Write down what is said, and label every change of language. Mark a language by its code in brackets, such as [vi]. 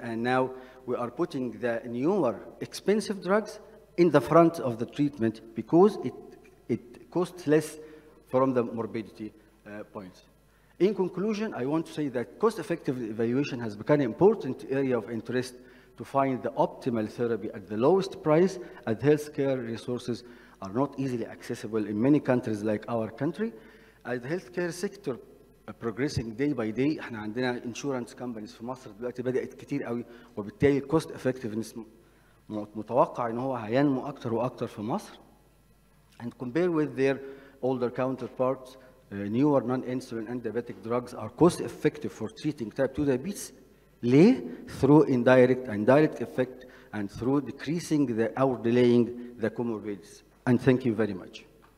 [en] And now we are putting the newer expensive drugs in the front of the treatment because it costs less from the morbidity points. In conclusion, I want to say that cost-effective evaluation has become an important area of interest to find the optimal therapy at the lowest price, as healthcare resources are not easily accessible in many countries like our country. As the healthcare sector progressing day by day, [ar] احنا عندنا insurance companies في مصر دلوقتي بدأت كتير قوي، وبالتالي cost-effectiveness متوقع ان هو هينمو اكتر واكتر في مصر. [en] And compared with their older counterparts, newer non-insulin and diabetic drugs are cost-effective for treating type 2 diabetes through indirect and direct effect and through decreasing or delaying the comorbidities. And thank you very much.